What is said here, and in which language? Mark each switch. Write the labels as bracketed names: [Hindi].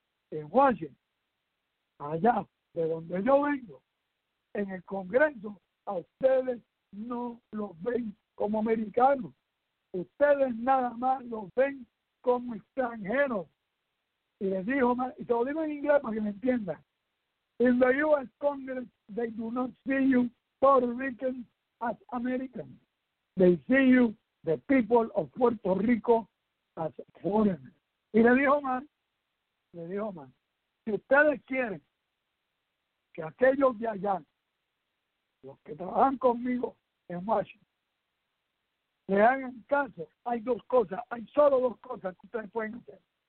[Spanish] En Washington, allá de donde yo vengo, en el Congreso, a ustedes no los ven como americanos. Ustedes nada más los ven como extranjeros. Y les dijo, y se lo digo en inglés para que me entiendan. [English] In the U.S. Congress, they do not see you Puerto Rican as American. They see you, the people of Puerto Rico, as foreigners. [Spanish] Y le dijo más, si ustedes quieren que aquellos de allá, los que trabajan conmigo en Washington, le hagan caso, hay solo dos cosas que ustedes pueden hacer.